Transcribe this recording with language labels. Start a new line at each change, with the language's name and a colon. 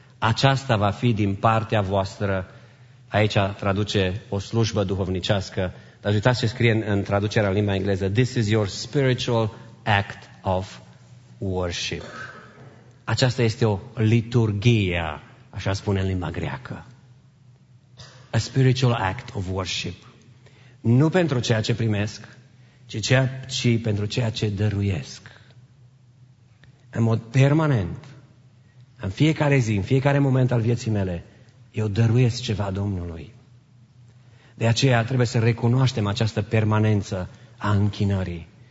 Romanian: Aceasta va fi din partea voastră, aici traduce o slujbă duhovnicească, dar uitați ce scrie în traducerea în limba engleză,
English: this is your spiritual act of worship.
Romanian: Aceasta este o liturghie, așa spune în limba greacă.
English: A spiritual act of worship.
Romanian: Nu pentru ceea ce primesc, ci pentru ceea ce dăruiesc. În mod permanent, în fiecare zi, în fiecare moment al vieții mele, eu dăruiesc ceva Domnului. De aceea trebuie să recunoaștem această permanență a închinării.